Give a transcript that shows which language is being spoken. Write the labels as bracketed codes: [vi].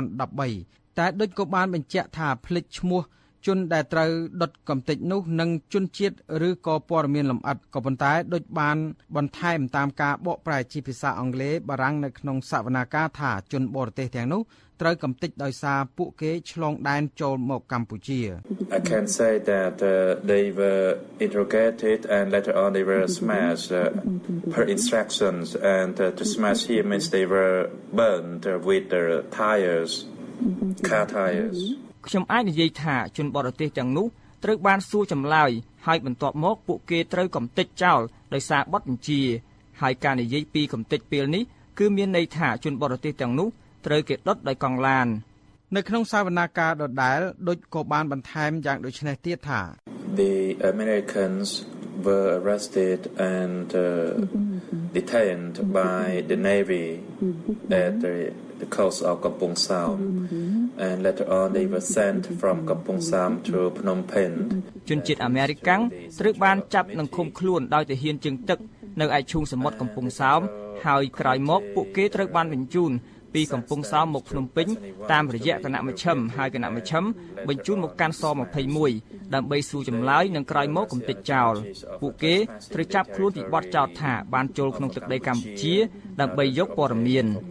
[km] 2013តែដូចក៏បានបញ្ជាក់ថាភ្លេចឈ្មោះជនដែលត្រូវដុតកំទេចនោះនឹងជនជាតិឬក៏ព័ត៌មានលម្អិតក៏ប៉ុន្តែដូចបានបន្ថែមតាមការបកប្រែជាភាសាអង់គ្លេសបារាំងនៅក្នុងសវនាការថាជនបរទេសទាំងនោះត្រូវកំទេចដោយសារពួកគេឆ្លងដែនចូលមកកម្ពុជា [en] I can say that they were interrogated and later on they were smashed per instructions and to smash here means they were burned with their tires car tires [km] ខ្ញុំអាចនិយាយថាជនបរទេសទាំងនោះត្រូវបានសួរចម្លើយហើយបន្ទាប់មកពួកគេត្រូវកំទេចចោលដោយសារបទបញ្ជាហើយការនិយាយពីកំទេចពេលនេះគឺមានន័យថាជនបរទេសទាំងនោះត្រូវគេដុតដោយកង់ឡាននៅក្នុងសវនាការដដែលដូចក៏បានបន្ថែមយ៉ាងដូចនេះទៀតថា [en] The Americans were arrested and detained by the Navy at the coast of Kampong Sam and later on they were sent from Kampong Sam to Phnom Penh [km] ជនជាតិអាមេរិកត្រូវបានចាប់និងឃុំខ្លួនដោយទាហានជើងទឹកនៅឯឈូងសមុទ្រកំពង់សោមហើយក្រោយមកពួកគេត្រូវបានបញ្ជូនពីកំពង់សោមមកភ្នំពេញតាមរយៈគណៈមជ្ឈមហើយគណៈមជ្ឈមបញ្ជូនមកកាន់ស21ដើម្បីសួរចម្លើយនិងក្រោយមកកំទេចចោលពួកគេត្រូវចាប់ខ្លួនទីបត់ចោតថាបានចូលក្នុងទឹកដីកម្ពុជាដើម្បីយកព័ត៌មាន